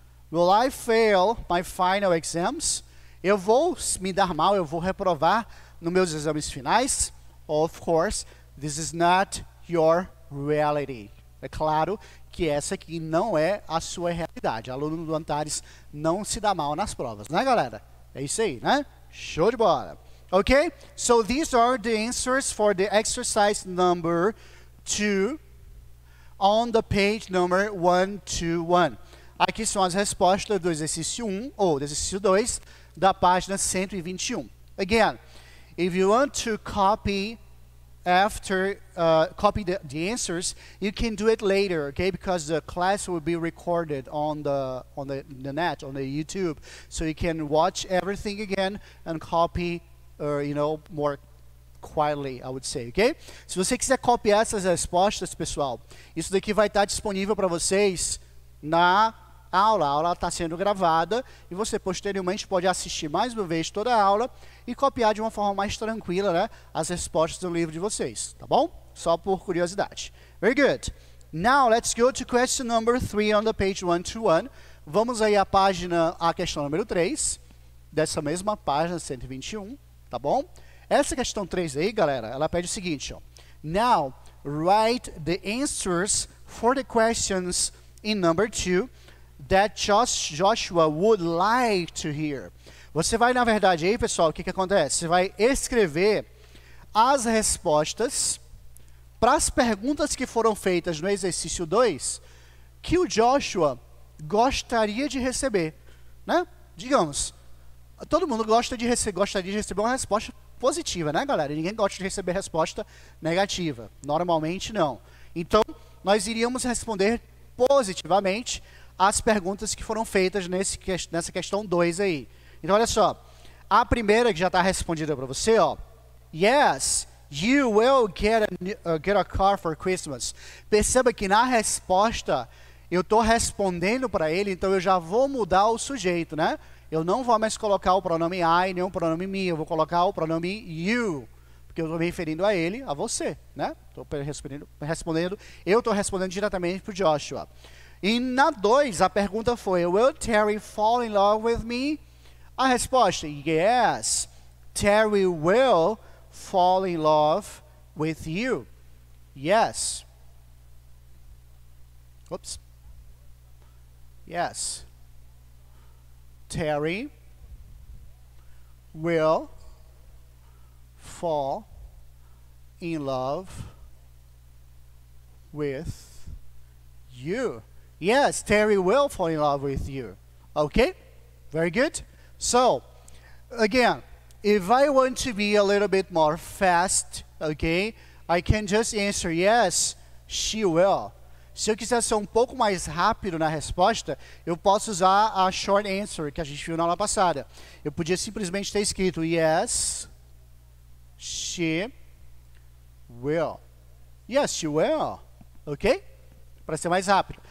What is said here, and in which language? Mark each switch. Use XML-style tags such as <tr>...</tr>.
<en>Will I fail my final exams?</en> <pt>Eu vou me dar mal, eu vou reprovar nos meus exames finais?</pt> <en>Of course, this is not your reality.</en> <pt>É claro que essa aqui não é a sua realidade. Aluno do Antares não se dá mal nas provas, né, galera? É isso aí, né? Show de bola. Ok?</pt> <en>So these are the answers for the exercise number 2 on the page number 121.</en> <pt>Aqui são as respostas do exercício 1 ou do exercício 2 da página 121.</pt> <en>Again, if you want to copy after, copy the answers, you can do it later, okay? Because the class will be recorded on the net, on the YouTube. So you can watch everything again and copy, more quietly, I would say, okay?</en> <pt>Se você quiser copiar essas respostas, pessoal, isso daqui vai estar disponível para vocês na aula. A aula está sendo gravada e você posteriormente pode assistir mais uma vez toda a aula e copiar de uma forma mais tranquila, né, as respostas do livro de vocês, tá bom? Só por curiosidade.</pt> <en>Very good. Now, let's go to question number 3 on the page 121.</en> <pt>Vamos aí à página, à questão número 3, dessa mesma página 121. Tá bom? Essa questão 3 aí, galera, ela pede o seguinte, ó.</pt> <en>Now, write the answers for the questions in number 2 that Joshua would like to hear.</en> <pt>Você vai, na verdade, aí, pessoal, o que que acontece? Você vai escrever as respostas para as perguntas que foram feitas no exercício 2 que o Joshua gostaria de receber, né? Digamos, todo mundo gostaria de receber uma resposta positiva, né, galera? Ninguém gosta de receber resposta negativa. Normalmente, não. Então, nós iríamos responder positivamente as perguntas que foram feitas nessa questão 2 aí. Então, olha só. A primeira que já está respondida para você, ó.</pt> <en>Yes, you will get a car for Christmas.</en> <pt>Perceba que na resposta, eu estou respondendo para ele, então eu já vou mudar o sujeito, né? Eu não vou mais colocar o pronome I, nem o pronome me, eu vou colocar o pronome you, porque eu estou me referindo a ele, a você, né? Estou respondendo, eu estou respondendo diretamente para o Joshua. E na 2, a pergunta foi,</pt> <en>will Terry fall in love with me?</en> <pt>A resposta,</pt> <en>yes, Terry will fall in love with you. Yes. Oops. Yes. Terry will fall in love with you. Yes, Terry will fall in love with you. Okay, very good. So, again, if I want to be a little bit more fast, okay, I can just answer yes, she will.</en> <pt>Se eu quiser ser um pouco mais rápido na resposta, eu posso usar a short answer que a gente viu na aula passada. Eu podia simplesmente ter escrito</pt> <en>yes, she will. Yes, she will.</en> <pt>Ok? para ser mais rápido.</pt>